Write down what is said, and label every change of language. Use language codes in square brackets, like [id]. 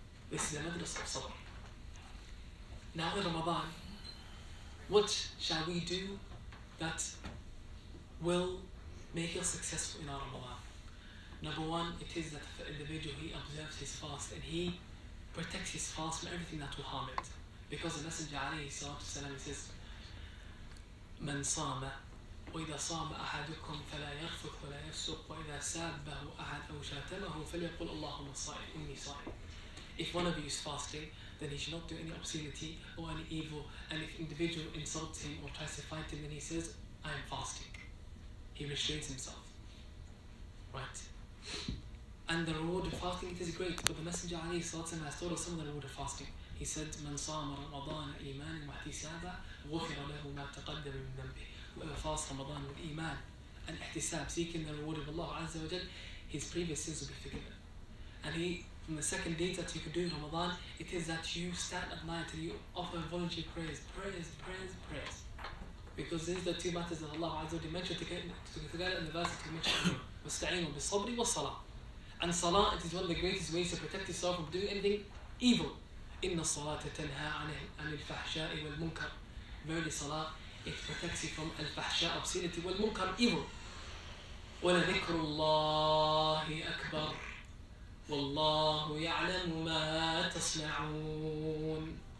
[en] This is another sabr. Now in Ramadan, what shall we do that will make us successful in our Ramadan? Number one, it is that for individual, he observes his fast and he protects his fast from everything that will harm it. Because the Messenger alayhi salatu salam says, [ar] من صام وإذا صام أحدكم فلا يغفث ولا يفسق وإذا سابه أحد أو شاتمه فليقول اللهم صائم إني صائم. [en] If one of you is fasting, then he should not do any obscenity or any evil. And if individual insults him or tries to fight him, then he says, I am fasting. He restrains himself. Right. And the reward of fasting, it is great. But the Messenger alayhi salatu salam has told us some of the reward of fasting. He said, [ar] من صام رمضان إيمان واحتسابا غفر له ما تقدم من ذنبه. [en] Whoever fasts Ramadan with iman and ihtisab, seeking the reward of Allah Azza wa Jal, his previous sins will be forgiven. And he, from the second deed that you could do in Ramadan, it is that you stand at night and you offer voluntary prayers. Prayers, prayers, prayers. Because these are the two matters that Allah Azza wa Jal mentioned together in the verse that he mentioned. [ar] وَاسْتَعِينُوا بِالصَّبْرِ وَالصَّلَاةِ. [en] And salah, it is one of the greatest ways to protect yourself from doing anything evil. [ar] إن الصلاة تنهى عن الفحشاء والمنكر. [en] Verily salah, it protects you from الفحشاء obscenity والمنكر evil. [ar] ولذكر الله أكبر والله يعلم ما تصنعون.